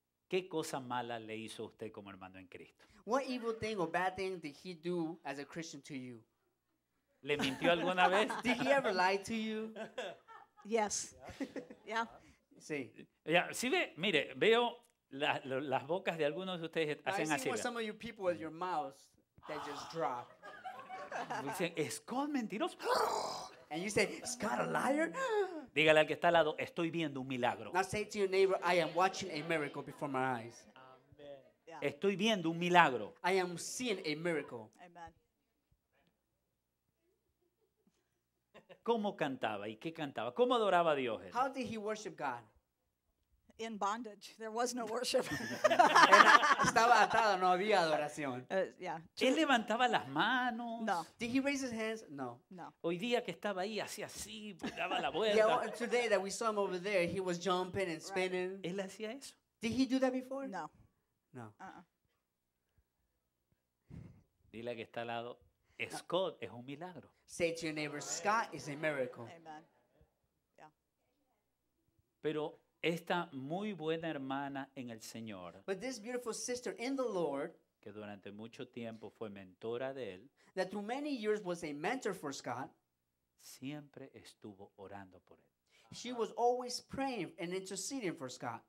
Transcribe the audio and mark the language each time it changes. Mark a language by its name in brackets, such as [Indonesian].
[Spanish] ¿Qué cosa mala le hizo usted como hermano en Cristo? [English] What evil thing or bad thing did he do as a Christian to you? [Spanish] ¿Le mintió alguna vez? [English] Did he ever lie to you? Yes. Yeah. [Spanish] Sí. Yeah. Sí, ve, mire, veo las bocas de algunos de ustedes hacen así. [English] I see what some of you people with your mouths that just drop. [Spanish] Dicen, ¿Scott mentiroso? [English] And you say, Scott a liar? [Spanish] Dígale al que está al lado, estoy viendo un milagro. [English] Now say to your neighbor, I am watching a miracle before my eyes. [Spanish] Estoy viendo un milagro. [English] I am seeing a miracle. Amen. [Spanish] ¿Cómo cantaba y qué cantaba? ¿Cómo adoraba a Dios? [English] How did he worship God? In bondage. There was no worship. [Spanish] Estaba atado, no había adoración. [English] Yeah. [Spanish] ¿Él levantaba las manos? No. [English] Did he raise his hands? No. No. [Spanish] Hoy día que estaba ahí, hacía así, daba la vuelta. [English] Yeah, well, today that we saw him over there, he was jumping and spinning. [Spanish] Right. ¿Él hacía eso? [English] Did he do that before? No. No. [Spanish] Dile que está al lado, Scott es un milagro. [English] Say to your neighbor, Scott is a miracle. Amen. Yeah. [Spanish] Pero esta muy buena hermana en el Señor, [English] but this beautiful sister in the Lord, [Spanish] que durante mucho tiempo fue mentora de él, [English] that through many years was a mentor for Scott, [Spanish] siempre estuvo orando por él. [English] She was always praying and interceding for Scott.